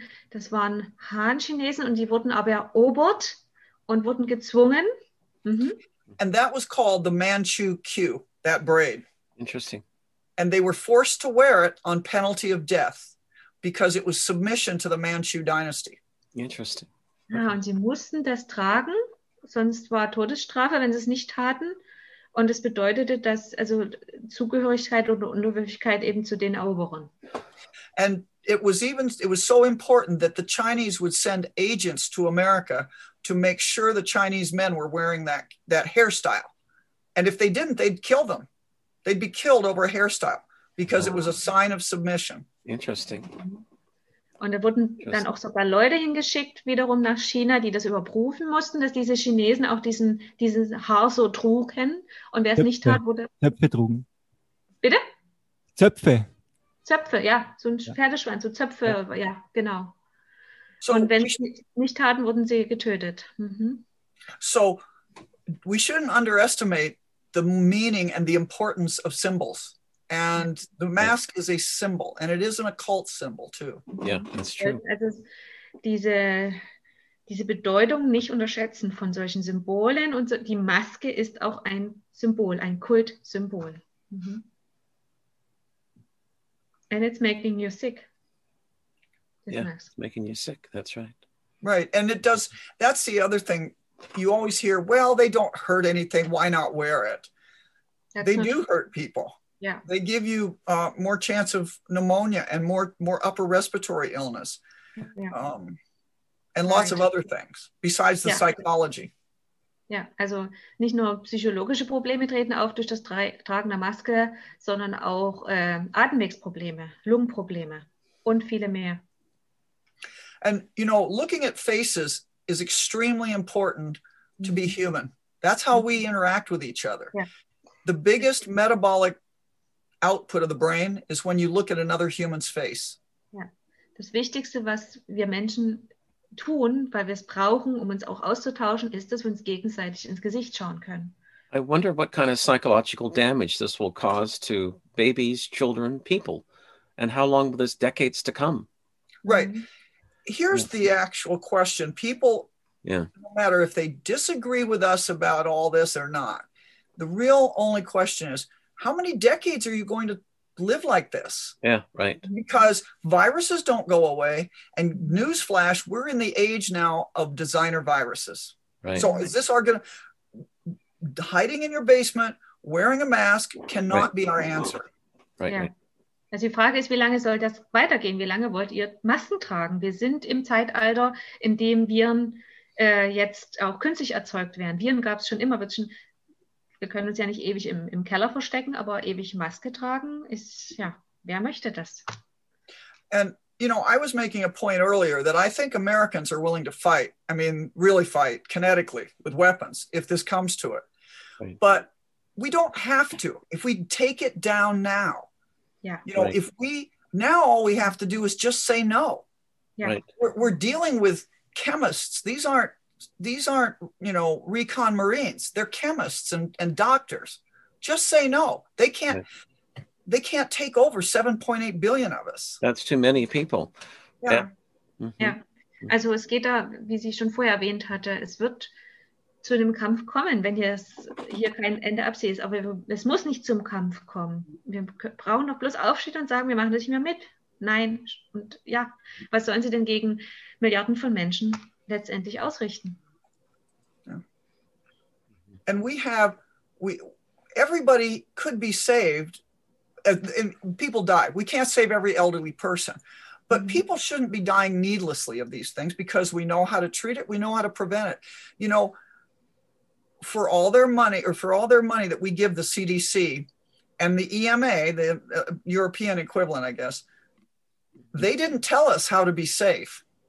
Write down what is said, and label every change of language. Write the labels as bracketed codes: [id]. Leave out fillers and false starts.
[de] Das waren Han-Chinesen und die wurden aber erobert und wurden gezwungen. [en] And that was called the Manchu queue, that braid. Interesting. And they were forced to wear it on penalty of death because it was submission to the Manchu dynasty. Interesting. [de] Ja, [en] Okay. [de] und sie mussten das tragen, sonst war Todesstrafe, wenn sie es nicht taten. Und es bedeutete, dass also Zugehörigkeit oder Unterwürfigkeit eben zu den Eroberern. [en] And it was so important that the Chinese would send agents to America to make sure the Chinese men were wearing that hairstyle. And if they didn't, they'd kill them. They'd be killed over a hairstyle because it was a sign of submission. Interesting. [de] Und da wurden dann auch [en] Interesting. [de] sogar Leute hingeschickt, wiederum nach China, die das überprüfen mussten, dass diese Chinesen auch diesen Haar so trugen. Und wer es nicht tat, Töpfe. wurde. Töpfe trugen. Bitte? Zöpfe. Zöpfe, ja, so ein Pferdeschwanz, so Zöpfe, ja, genau. Und [en] So [de] wenn sie es nicht taten, wurden sie getötet. [en] we shouldn't underestimate the meaning and the importance of symbols. And the mask is a symbol, and it is an occult symbol too. Yeah, that's true. [de] Also diese Bedeutung nicht unterschätzen von solchen Symbolen und so, die Maske ist auch ein Symbol, ein Kultsymbol. [en] And it's making you sick, this Yeah, mask. it's making you sick. That's right. Right, and it does. That's the other thing you always hear, well, they don't hurt anything. Why not wear it? They do hurt people. Yeah. They give you more chance of pneumonia and more upper respiratory illness. Yeah. And lots of other things besides the psychology. [de] Ja, also nicht nur psychologische Probleme treten auf durch das Tragen der Maske, sondern auch Atemwegsprobleme, Lungenprobleme und viele mehr. [en] And you know, looking at faces is extremely important to be human. That's how we interact with each other. Yeah. The biggest metabolic output of the brain is when you look at another human's face. [de] Ja. Das Wichtigste, was wir Menschen tun, weil wir es brauchen, um uns auch auszutauschen, ist, dass wir uns gegenseitig ins Gesicht schauen können. [en] I wonder what kind of psychological damage this will cause to babies, children, people, and how long will this decades to come? Right. Here's the actual question. People, no matter if they disagree with us about all this or not, the real only question is, how many decades are you going to live like this? Yeah, right. Because viruses don't go away. And newsflash, we're in the age now of designer viruses. Right. So is this our gonna hiding in your basement, wearing a mask cannot be our answer. Right. Yeah. Right. [de] Also die Frage ist, wie lange soll das weitergehen? Wie lange wollt ihr Masken tragen? Wir sind im Zeitalter, in dem Viren jetzt auch künstlich erzeugt werden. Viren gab es schon immer, wird schon. Wir können uns ja nicht ewig im Keller verstecken, aber ewig Maske tragen ist, ja, wer möchte das? [en] And, you know, I was making a point earlier that I think Americans are willing to fight, I mean, really fight, kinetically, with weapons, if this comes to it. But we don't have to, if we take it down now. Yeah. You know, if we, now all we have to do is just say no. Yeah. Right. We're dealing with chemists. These aren't, you know, recon Marines. They're chemists and doctors. Just say no. They can't take over 7.8 billion of us. That's too many people. Yeah. Yeah. Mm-hmm. Yeah. [de] Also es geht da, wie sie schon vorher erwähnt hatte, es wird zu einem Kampf kommen, wenn hier kein Ende absieht. Aber es muss nicht zum Kampf kommen. Wir brauchen doch bloß Aufstehen und sagen, wir machen das nicht mehr mit. Nein. Und ja, was sollen sie denn gegen Milliarden von Menschen letztendlich ausrichten? [en] Yeah. And we have, everybody could be saved, and people die. We can't save every elderly person, but people shouldn't be dying needlessly of these things because we know how to treat it, we know how to prevent it. You know, for all their money, or for all their money that we give the CDC and the EMA, the European equivalent, I guess, they didn't tell us how to be safe.